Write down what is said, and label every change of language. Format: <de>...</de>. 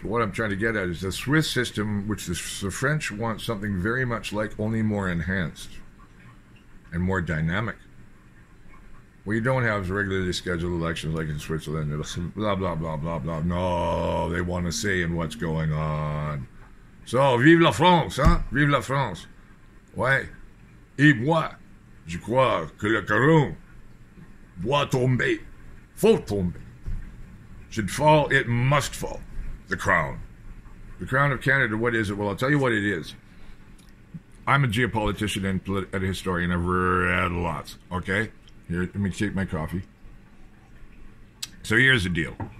<en>But what I'm trying to get at is the Swiss system, which the French want something very much like, only more enhanced and more dynamic. Well, you don't have regularly scheduled elections like in Switzerland. Blah, blah, blah, blah, blah. No, they want a say in what's going on.</en> <fr>So, vive la France, hein? Vive la France. Ouais. Et moi, je crois que le Cameroun doit tomber. Faut tomber.</fr> <en>Should fall, it must fall. The crown. The crown of Canada, what is it? Well, I'll tell you what it is. I'm a geopolitician and a historian. I've read lots. Okay? Here, let me take my coffee. So here's the deal.</en>